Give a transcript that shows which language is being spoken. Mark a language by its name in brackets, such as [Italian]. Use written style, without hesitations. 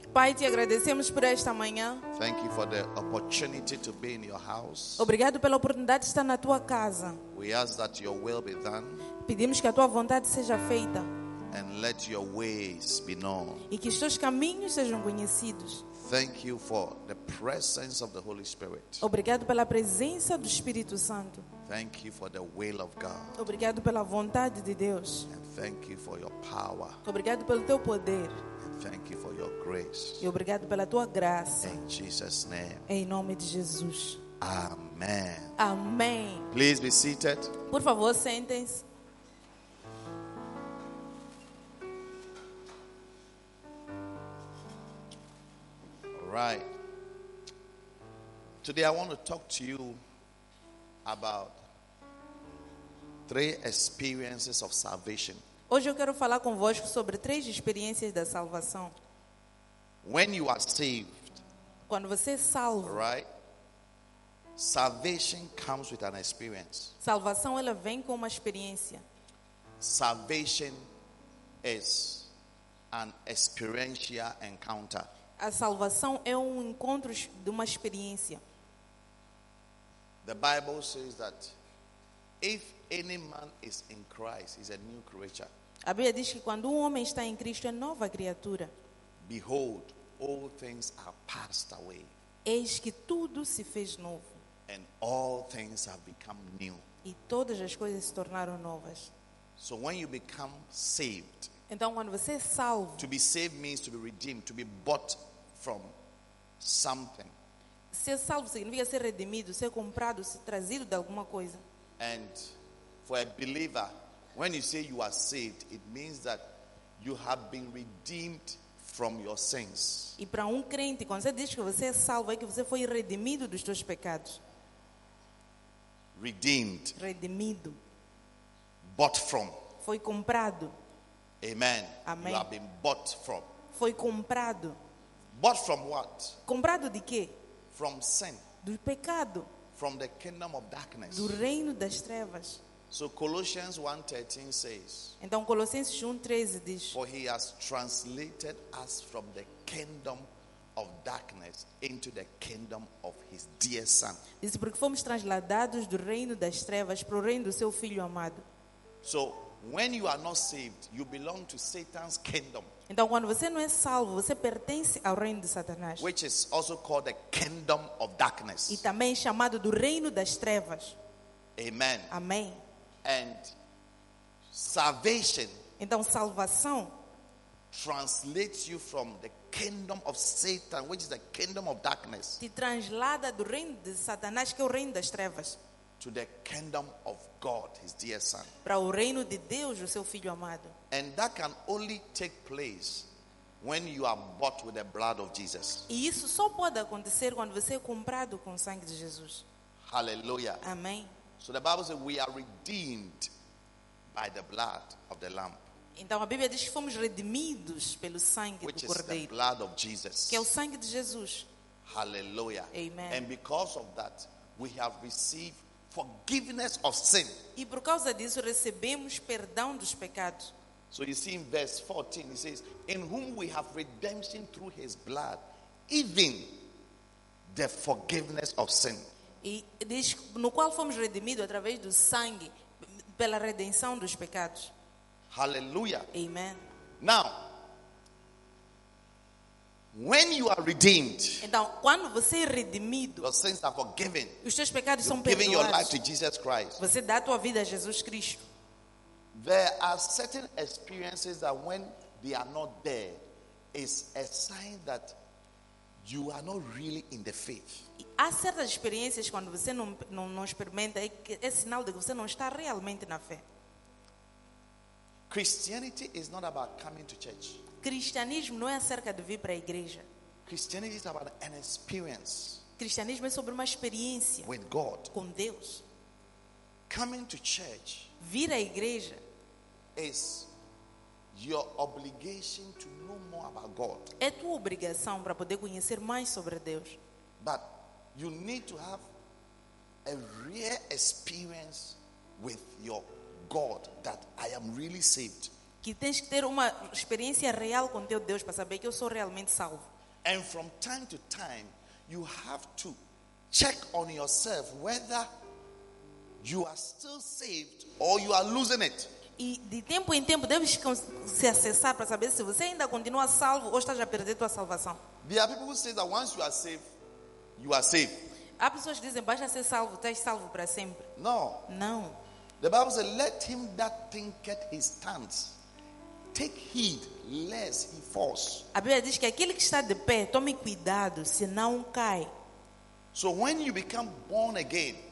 [Portuguese] Pai, te agradecemos por esta manhã. [English] Thank you for the opportunity to be in your house. [Portuguese] Obrigado pela oportunidade de estar na tua casa. [English] We ask that your will be done. [Portuguese] Pedimos que a tua vontade seja feita. [English] And let your ways be known. [Portuguese] E que os teus caminhos sejam conhecidos. [English] Thank you for the presence of the Holy Spirit. [Portuguese] Obrigado pela presença do Espírito Santo. [English] Thank you for the will of God. [Portuguese] Obrigado pela vontade de Deus. [English] And thank you for your power. [Portuguese] Obrigado pelo teu poder. [English] And thank you for your grace. [Portuguese] E obrigado pela tua graça. [English] In Jesus' name. [Portuguese] Em nome de Jesus. [English] Amen. [Portuguese] Amém. [English] Please be seated. [Portuguese] Por favor, sentem-se. [English] Right. Today I want to talk to you about three experiences of salvation. [Portuguese] Hoje eu quero falar convosco sobre três experiências da salvação. [English] When you are saved. [Portuguese] Quando você é salvo. [English] Right. Salvation comes with an experience. [Portuguese] Salvação ela vem com uma experiência. [English] Salvation is an experiential encounter. [Portuguese] A salvação é um encontro de uma experiência. [English] The Bible says that if any man is in Christ, he's a new creature. [Portuguese] A Bíblia diz que quando um homem está em Cristo é nova criatura. [English] Behold, all things are passed away. [Portuguese] Eis que tudo se fez novo. [English] And all things have become new. [Portuguese] E todas as coisas se tornaram novas. [English] So when you become saved. [Portuguese] Então quando você é salvo. [English] To be saved means to be redeemed, to be bought from something. [Portuguese] Ser salvo significa ser redimido, ser comprado, ser trazido de alguma coisa. [English] And for a believer, when you say you are saved, it means that you have been redeemed from your sins. [Portuguese] E para crente, quando você diz que você é salvo, é que você foi redimido dos seus pecados. [English] Redeemed. [Portuguese] Redimido. [English] Bought from. [Portuguese] Foi comprado. [English] Amen. [Portuguese] Amém. [English] You have been bought from. [Portuguese] Foi comprado. [English] Bought from what? [Portuguese] Comprado de quê? [English] From sin. [Portuguese] Do pecado. [English] From the kingdom of darkness. [Portuguese] Do reino das trevas. [English] So Colossians 1:13 says. [Portuguese] Então Colossenses 1:13 diz. [English] For he has translated us from the kingdom of darkness into the kingdom of his dear son. [Portuguese] Diz porque fomos transladados do reino das trevas para o reino do seu filho amado. [English] So when you are not saved, you belong to Satan's kingdom. [Portuguese] Então, quando você não é salvo, você pertence ao reino de Satanás. [English] Which is also called the kingdom of darkness. [Portuguese] E também chamado do reino das trevas. [English] Amen. [Portuguese] Amém. [English] And salvation. [Portuguese] Então, salvação. [English] Translates you from the kingdom of Satan, which is the kingdom of darkness. [Portuguese] Te translada do reino de Satanás, que é o reino das trevas. [English] To the kingdom of God, his dear son. [Portuguese] Para o reino de Deus, o seu filho amado. [English] And that can only take place when you are bought with the blood of Jesus. [Portuguese] E isso só pode acontecer quando você é comprado com o sangue de Jesus. [English] Hallelujah. [Portuguese] Amém. [English] So the Bible says we are redeemed by the blood of the Lamb. [Portuguese] Então a Bíblia diz que fomos redimidos pelo sangue [English] which [Portuguese] do Cordeiro. [English] Which is the blood of Jesus. [Portuguese] Que é o sangue de Jesus. [English] Hallelujah. Amen. And because of that, we have received forgiveness of sin. [Portuguese] E por causa disso recebemos perdão dos pecados. [English] So you see in verse 14, he says, in whom we have redemption through his blood, even the forgiveness of sin. [Portuguese] E diz, no qual fomos redimidos através do sangue, pela redenção dos pecados. [English] Hallelujah. Amen. Now, when you are redeemed, [Portuguese] então, quando você é redimido, [English] your sins are forgiven, [Portuguese] os teus pecados são perdoados, [English] your life to Jesus Christ. [Portuguese] Você dá a tua vida a Jesus Cristo. [English] There are certain experiences that when they are not there, is a sign that you are not really in the faith. [Portuguese] Há certas experiências quando você não experimenta, é sinal de que você não está realmente na fé. [English] Christianity is not about coming to church. [Portuguese] Cristianismo não é acerca de vir para a igreja. [English] Christianity is about an experience. [Portuguese] Cristianismo é sobre uma experiência [English] with God. [Portuguese] Com Deus. [English] Coming to church. [Portuguese] Vir à igreja [English] is your obligation to know more about God. [Portuguese] É tua obrigação para poder conhecer mais sobre Deus. [English] But you need to have a real experience with your God that I am really saved. [Portuguese] Que tens que ter uma experiência real com teu Deus para saber que eu sou realmente salvo. [English] And from time to time, you have to check on yourself whether you are still saved or you are losing it. [Portuguese] E de tempo em tempo deves se acessar para saber se você ainda continua salvo ou está já perdendo tua salvação. [English] There are people who say that once you are saved, you are saved. [Portuguese] Há pessoas que dizem, basta ser salvo, estás salvo para sempre. [English] No. [Portuguese] Não. [English] The Bible says, let him that thinketh he stands, take heed, lest he falls. [Portuguese] A Bíblia diz que aquele que está de pé, tome cuidado, senão cai. [English] So when you become born again,